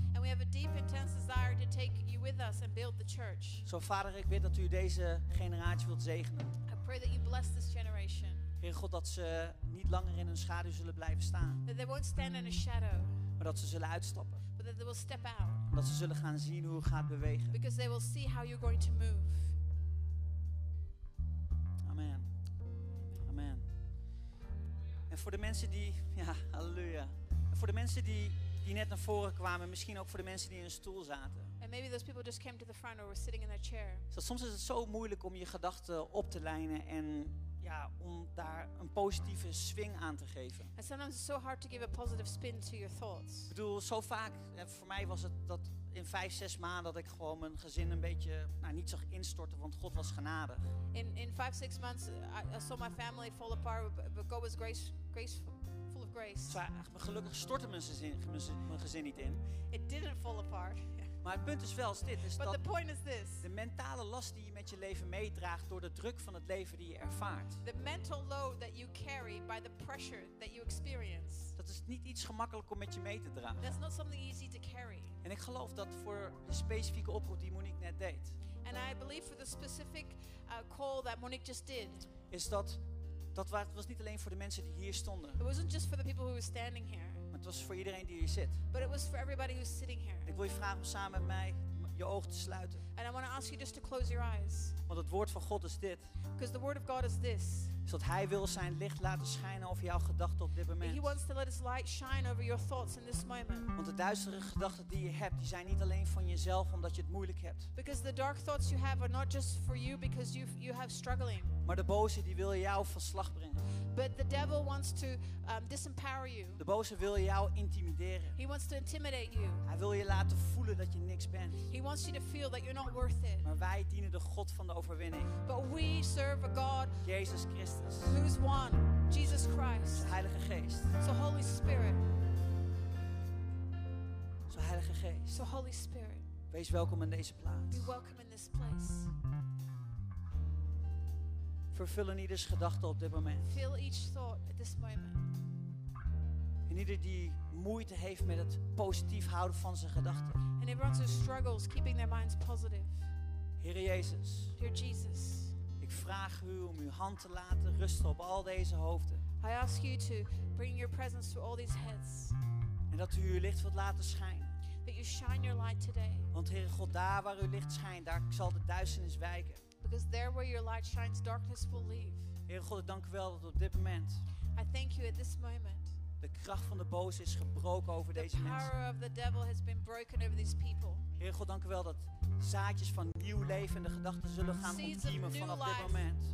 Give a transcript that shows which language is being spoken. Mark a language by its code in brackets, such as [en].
[en] And we have a deep intense desire to take you with us and build the church. [nl] Zo Vader, ik bid dat u deze generatie wilt zegenen. [en] I pray that you bless this generation. [nl] Heer God, dat ze niet langer in hun schaduw zullen blijven staan. [en] That they won't stand in a shadow. [nl] Maar dat ze zullen uitstappen. [en] But that they will step out. [nl] Dat ze zullen gaan zien hoe u gaat bewegen. [en] Because they will see how you're going to move. [nl] Amen. Amen. En voor de mensen die... Ja, halleluja. En voor de mensen die net naar voren kwamen. Misschien ook voor de mensen die in een stoel zaten. [en] And maybe those people just came to the front or were sitting in their chair. [nl] Dus soms is het zo moeilijk om je gedachten op te lijnen en... Ja, om daar een positieve swing aan te geven. [en] And sometimes it's so hard to give a positive spin to your thoughts. [nl] Ik bedoel, zo vaak, voor mij was het dat in 5-6 maanden dat ik gewoon mijn gezin een beetje niet zag instorten, want God was genadig. [en] In 5-6 months I saw my family fall apart, but God was full of grace. [nl] Maar gelukkig stortte mijn gezin niet in. [en] It didn't fall apart. [nl] Maar het punt is wel als dit. Is [en] But [nl] dat [en] the point is this. [nl] De mentale last die je met je leven meedraagt door de druk van het leven die je ervaart. [en] The mental load that you carry by the pressure that you experience. [nl] Dat is niet iets gemakkelijk om met je mee te dragen. [en] That's not something easy to carry. [nl] En ik geloof dat voor de specifieke oproep die Monique net deed. [en] And I believe for the specific call that Monique just did. [nl] Is dat het was niet alleen voor de mensen die hier stonden. [en] It wasn't just for the people who were standing here. [nl] Het was voor iedereen die hier zit. [en] But it was for everybody who's sitting here. [nl] Ik wil je vragen om samen met mij je ogen te sluiten. [en] And I want to ask you just to close your eyes. [nl] Want het woord van God is dit. [en] Because the word of God is this. [nl] Is dat hij wil zijn licht laten schijnen over jouw gedachten op dit moment. [en] He wants to let his light shine over your thoughts in this moment. [nl] Want de duistere gedachten die je hebt, die zijn niet alleen van jezelf omdat je het moeilijk hebt. [en] Because the dark thoughts you have are not just for you because you have struggling. [nl] Maar de boze die wil jou van slag brengen. [en] But the devil wants to disempower you. [nl] De boze wil jou intimideren. [en] He wants to intimidate you. [nl] Hij wil je laten voelen dat je niks bent. [en] He wants you to feel that you're not worth it. [nl] Maar wij dienen de God van de overwinning. [en] But we serve a God. [nl] Jezus Christus. [en] Who's one? Jesus Christ. [nl] De Heilige Geest. [en] So Holy Spirit. [nl] Zo Heilige Geest. [en] So Holy Spirit. [nl] Wees welkom in deze plaats. [en] Be welcome in this place. [nl] Vervullen ieders gedachten op dit moment. [en] Fill each thought at this moment. [nl] En ieder die moeite heeft met het positief houden van zijn gedachten. [en] And everyone who struggles keeping their minds positive. [nl] Heere Jezus. [en] Dear Jesus. [nl] Ik vraag u om uw hand te laten rusten op al deze hoofden. [en] I ask you to bring your presence to all these heads. [nl] En dat u uw licht wilt laten schijnen. [en] That you shine your light today. [nl] Want Heere God, daar waar uw licht schijnt, daar zal de duisternis wijken. [en] Because there where your light shines, darkness will leave. [nl] Heere God, ik dank u wel dat op dit moment. [en] I thank you at this moment. [nl] De kracht van de boze is gebroken over deze mensen. [en] The power of the devil has been broken over these people. [nl] Heere God, dank u wel dat zaadjes van nieuw leven en de gedachten zullen gaan ontkiemen vanaf dit moment.